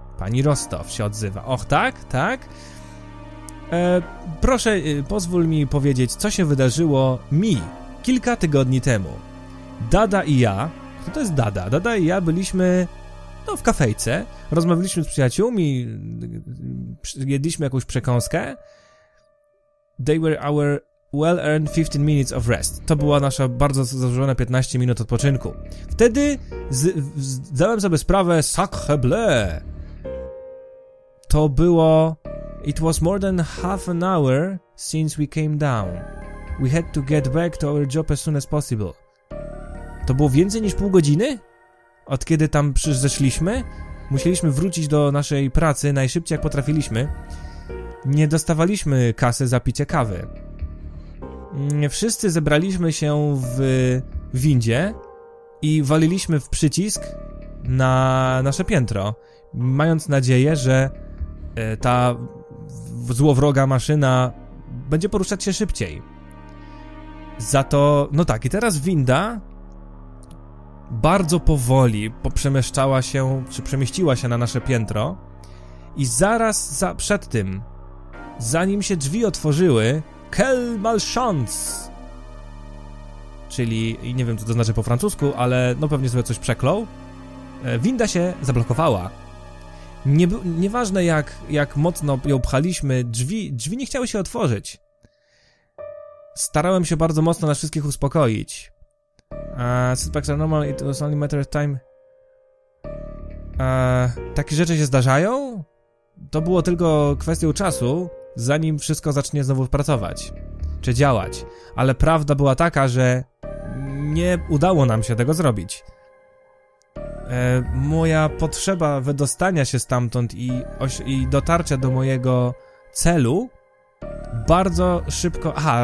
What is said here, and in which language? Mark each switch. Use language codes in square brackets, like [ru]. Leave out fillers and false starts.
[pl] Pani Rostow się odzywa. Och, tak, tak. Proszę, pozwól mi powiedzieć, co się wydarzyło mi kilka tygodni temu. Dada i ja, kto to jest Dada? Dada i ja byliśmy, no, w kafejce, rozmawialiśmy z przyjaciółmi, jedliśmy jakąś przekąskę. [en] They were our well-earned 15 minutes of rest. [pl] To była nasza bardzo zasłużona 15 minut odpoczynku. Wtedy zdałem sobie sprawę, [fr] sacre bleu. [pl] To było... [en] It was more than half an hour since we came down. We had to get back to our job as soon as possible. [pl] To było więcej niż pół godziny? Od kiedy tam zeszliśmy? Musieliśmy wrócić do naszej pracy najszybciej jak potrafiliśmy. Nie dostawaliśmy kasy za picie kawy. Wszyscy zebraliśmy się w windzie i waliliśmy w przycisk na nasze piętro, mając nadzieję, że ta złowroga maszyna będzie poruszać się szybciej. Za to, no tak, i teraz winda bardzo powoli poprzemieszczała się, czy przemieściła się na nasze piętro i zaraz przed tym, zanim się drzwi otworzyły, [fr] quel malchance! [pl] Czyli, nie wiem co to znaczy po francusku, ale no pewnie sobie coś przeklął. Winda się zablokowała. Nieważne jak mocno ją pchaliśmy, drzwi nie chciały się otworzyć. Starałem się bardzo mocno nas wszystkich uspokoić. [en] Suspects are normal, it was only a matter of time. [pl] Takie rzeczy się zdarzają? To było tylko kwestią czasu, zanim wszystko zacznie znowu pracować. Czy działać. Ale prawda była taka, że nie udało nam się tego zrobić. Moja potrzeba wydostania się stamtąd i dotarcia do mojego celu bardzo szybko...